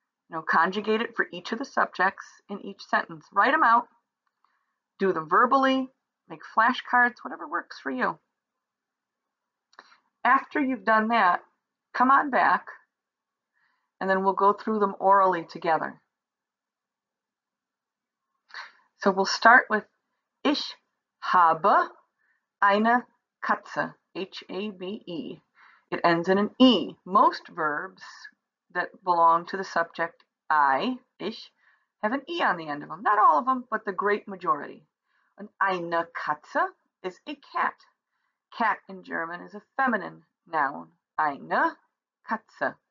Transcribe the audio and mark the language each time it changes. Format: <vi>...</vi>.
<en>You know, conjugate it for each of the subjects in each sentence. Write them out. Do them verbally. Make flashcards, whatever works for you. After you've done that, come on back, and then we'll go through them orally together. So we'll start with</en> <de>Ich habe eine Katze,</de> <en>H-A-B-E. It ends in an E. Most verbs that belong to the subject ich have an E on the end of them. Not all of them, but the great majority. And eine Katze is a cat. Cat in German is a feminine noun.</en> <de>Eine Katze.</de>